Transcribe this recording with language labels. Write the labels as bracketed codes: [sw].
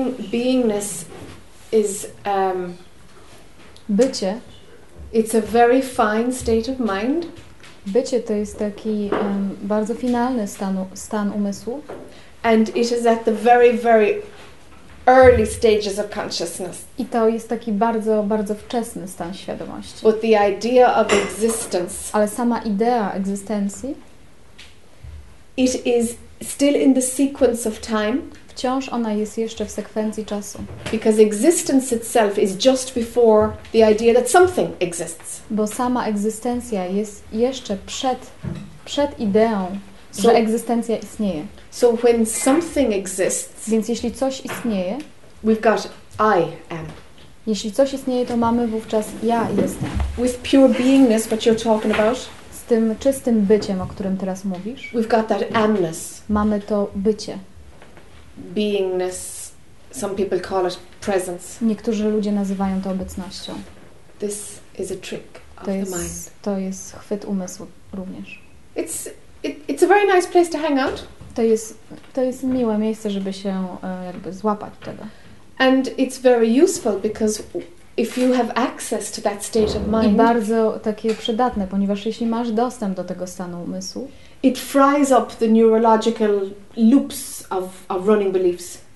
[en] Beingness is [pl] bycie. [en] It's a very fine state of mind. [pl] Bycie to jest taki bardzo finalny stan umysłu. [en] And it is at the very, very early stages of consciousness. [pl] I to jest taki bardzo, bardzo wczesny stan świadomości. [en] But the idea of existence. [pl] Ale sama idea egzystencji. [en] It is still in the sequence of time. [pl] Wciąż ona jest jeszcze w sekwencji czasu. [en] Because existence itself is just before the idea that something exists. [pl] Bo sama egzystencja jest jeszcze przed ideą, że egzystencja istnieje. [en] So when something exists, [pl] więc jeśli coś istnieje, [en] we've got I am. [pl] Jeśli coś istnieje, to mamy wówczas ja jestem. [en] With pure beingness, what you're talking about, [pl] z tym czystym byciem, o którym teraz mówisz, [en] we've got that amness. [pl] Mamy to bycie. [en] Beingness, some people call it presence. [pl] Niektórzy ludzie nazywają to obecnością. [en] This is a trick of the mind. [pl] To jest chwyt umysłu również. [en] It's a very nice place to hang out. [pl] To jest miłe miejsce, żeby się jakby złapać tego. [en] And it's very useful because if you have access to that state of mind. [pl] I bardzo takie przydatne, ponieważ jeśli masz dostęp do tego stanu umysłu. [en] It fries up the neurological loops of running beliefs.